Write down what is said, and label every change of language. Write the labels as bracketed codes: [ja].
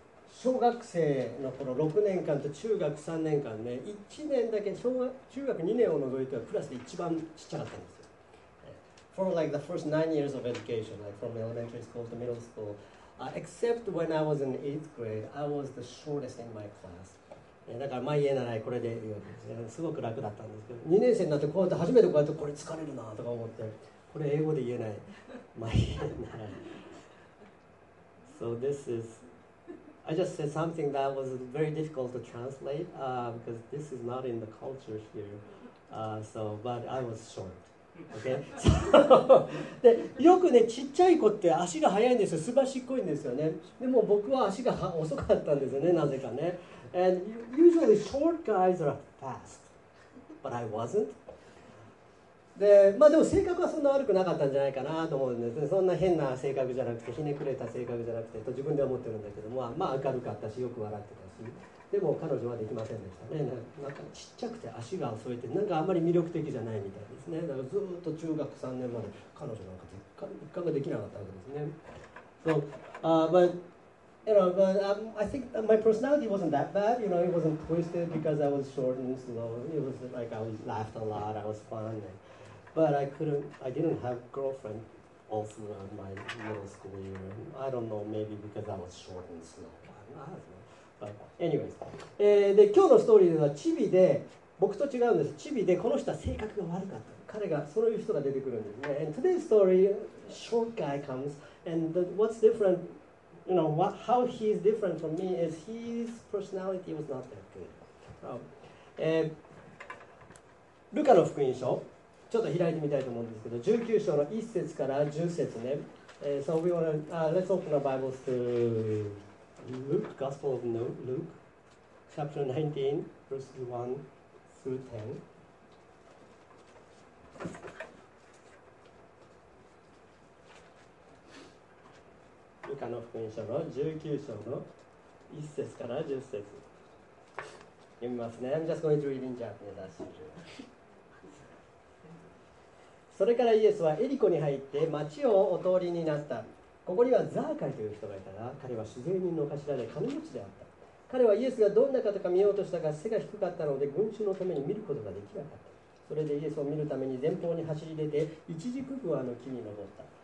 [ja] 小学生の頃6年間と中学3年間ね、1年だけ中学2年を除いてはクラスで一番ちっちゃかったんですよ。 [en] For like the first 9 years of education, like from elementary school to middle school, except when I was in eighth grade, I was the shortest in my class. [ja] だから、まあ言えならこれでいいわけです。すごく楽だったんですけど、2年生になってこうやって初めてこうやってこれ疲れるなとか思って、これ英語で言えない。まあ言えない。 [en] So this is, I just said something that was very difficult to translate, because this is not in the culture here. But I was short. Okay. [ja] でよくね、ちっちゃい子って足が速いんですよ、すばしっこいんですよね。でも僕は足が遅かったんですよね、なぜかね。 [en] And usually short guys are fast, but I wasn't. [ja] で、まあでも性格はそんな悪くなかったんじゃないかなと思うんですね。そんな変な性格じゃなくて、ひねくれた性格じゃなくてと自分では思ってるんだけども、まあ明るかったし、よく笑ってたし。でも彼女はできませんでしたね。なんかちっちゃくて足が遅いってなんかあんまり魅力的じゃないみたいですね。だからずっと中学3年まで彼女なんか一回もできなかったわけですね。 [en] So, but you know, but I think my personality wasn't that bad. You know, it wasn't twisted because I was short and slow. It was like I was laughed a lot. I was fun. But I didn't have girlfriend all throughout my middle school year. I don't know. Maybe because I was short and slow. I don't know. Anyways, [ja] で今日のストーリーではチビで、僕と違うんです。チビでこの人は性格が悪かった。彼がそういう人が出てくるんですね。 [en] And today's story, short guy comes, and what's different, you know, how he is different from me is his personality was not that good. [ja] ルカの福音書、ちょっと開いてみたいと思うんですけど、19章の1節から10節ね。 [en] So we wanna, let's open our Bibles to... Luke, Gospel of Luke, chapter 19, verses 1 through 10. [ja] ルカの福音書の19章の1節から10節。読みますね。 [en] I'm just going to read in Japanese as usual. [ja] それからイエスはエリコに入って町をお通りになった。ここにはザーカイという人がいたが、彼は主税人の頭で金持ちであった。彼はイエスがどんな方か見ようとしたが、背が低かったので群衆のために見ることができなかった。それでイエスを見るために前方に走り出て、イチジク桑の木に登った。